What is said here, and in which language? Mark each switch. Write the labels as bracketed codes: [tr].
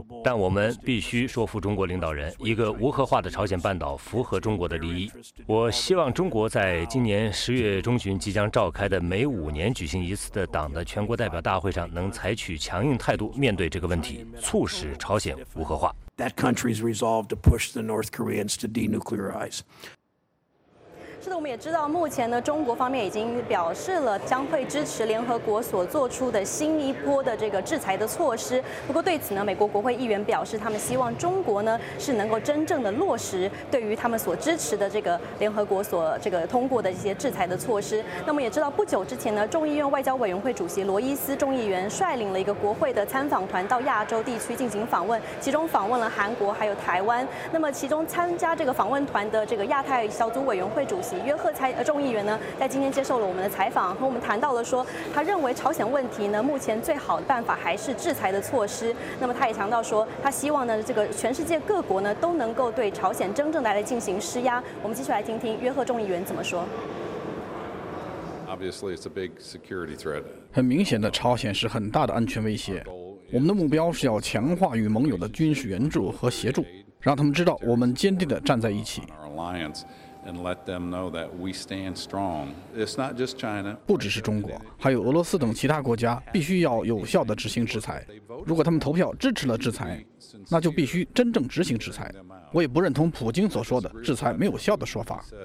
[zh] 但我们必须说服中国领导人，一个无核化的朝鲜半岛符合中国的利益。我希望中国在今年10月中旬即将召开的每5年举行一次的党的全国代表大会上，能采取强硬态度面对这个问题，促使朝鲜无核化。 [en] That country's resolve to push the North Koreans to denuclearize. [zh] 是的，我们也知道目前呢，中国方面已经表示了将会支持联合国所做出的新一波的这个制裁的措施。不过对此呢，美国国会议员表示，他们希望中国呢是能够真正的落实对于他们所支持的这个联合国所这个通过的一些制裁的措施。那么也知道不久之前呢，众议院外交委员会主席罗伊斯众议员率领了一个国会的参访团到亚洲地区进行访问，其中访问了韩国还有台湾。那么其中参加这个访问团的这个亚太小组委员会主席约赫众议员呢，在今天接受了我们的采访，和我们谈到了说，他认为朝鲜问题呢，目前最好的办法还是制裁的措施。那么他也强调说，他希望呢，这个全世界各国呢，都能够对朝鲜真正来进行施压。我们继续来听听约赫众议员怎么说。 [en] Obviously, it's a big security threat. [zh] 很明显的，朝鲜是很大的安全威胁。我们的目标是要强化与盟友的军事援助和协助，让他们知道我们坚定地站在一起。 [en] And let them know that we stand strong. It's not just China. [zh] 不只是中国，还有俄罗斯等其他国家，必须要有效地执行制裁。如果他们投票支持了制裁，那就必须真正执行制裁。我也不认同普京所说的制裁没有效的说法。